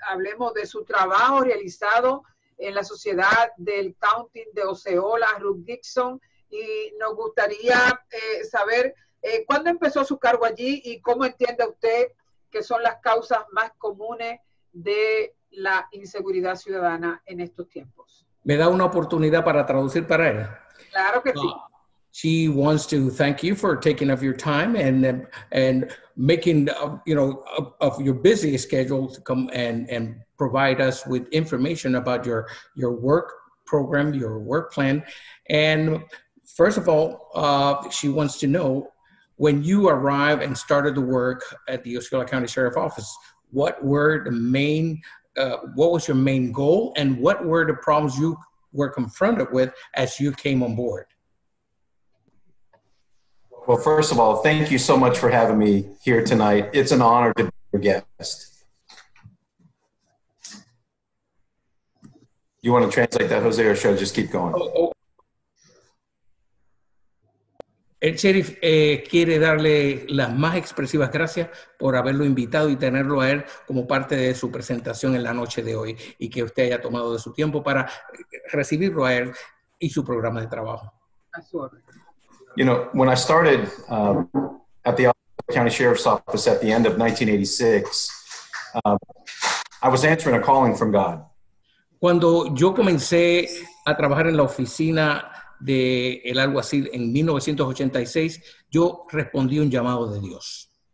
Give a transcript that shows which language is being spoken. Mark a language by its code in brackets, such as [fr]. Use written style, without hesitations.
[es] Hablemos de su trabajo realizado en la sociedad del County de Osceola, Ruth Dixon. Y nos gustaría saber cuándo empezó su cargo allí y cómo entiende usted que son las causas más comunes de la inseguridad ciudadana en estos tiempos. ¿Me da una oportunidad para traducir para él? Claro que sí. [en] She wants to thank you for taking of your time and making, you know, of your busy schedule to come and provide us with information about your work program, your work plan. And first of all, she wants to know, when you arrived and started the work at the Osceola County Sheriff's Office, what were the main what was your main goal, and what were the problems you were confronted with as you came on board? Well, first of all, thank you so much for having me here tonight. It's an honor to be your guest. You want to translate that, Jose, or should I just keep going? [es] El sheriff quiere darle las más expresivas gracias por haberlo invitado y tenerlo a él como parte de su presentación en la noche de hoy y que usted haya tomado de su tiempo para recibirlo a él y su programa de trabajo. [en] You know, when I started at the County Sheriff's Office at the end of 1986, I was answering a calling from God. [es] Cuando yo comencé a trabajar en la oficina de el alguacil en 1986, yo respondí un llamado de Dios.